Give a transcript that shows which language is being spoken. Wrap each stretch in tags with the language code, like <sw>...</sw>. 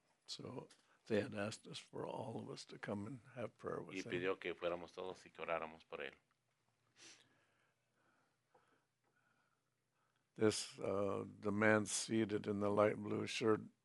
<en>So they had asked us for all of us to come and have prayer with</en> <es>y pidió que fuéramos todos y que oráramos por él.</es> <en>This the man seated in the light blue shirt.</en>